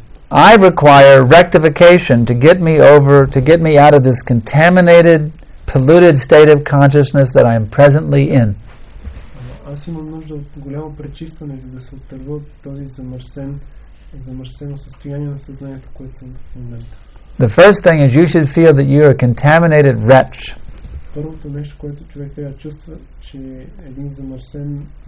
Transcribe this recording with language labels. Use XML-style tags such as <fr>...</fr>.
<en>I require rectification to get me over, to get me out of this contaminated, polluted state of consciousness that I am presently in.</en> <bg>Аз имам нужда от голямо пречистване, за да се оттърва от този замърсено състояние на съзнанието, което съм в момента.</bg> <en>The first thing is you should feel that you are a contaminated wretch.</en> <bg>Първото нещо, което човек трябва да чувства, че е един замърсен.</bg>